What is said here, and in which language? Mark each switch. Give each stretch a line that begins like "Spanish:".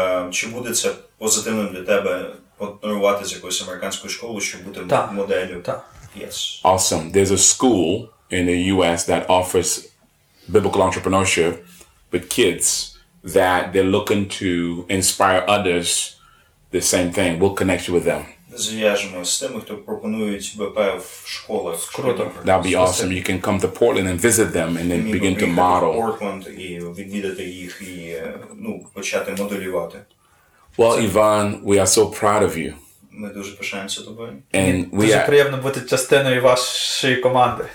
Ukrainian: Чи буде це позитивним для тебе партнерувати з якоюсь американською школою, щоб бути так. моделлю? Так.
English: Yes. Awesome. There's a school in the US that offers biblical entrepreneurship with kids that they're looking to inspire others the same thing. We'll connect you with them.
Ukrainian: Зв'яжемося з тими, хто пропонують БП в школах. Круто.
English: That'd be awesome. You can come to Portland and visit them and then begin to model.
Ukrainian: Portland і відвідати їх і почати моделювати.
English: Well, Ivan, we are so proud of you.
Ukrainian: Ми дуже пишаємося тобою.
English: And we
Ukrainian: дуже приємно бути частиною вашої команди.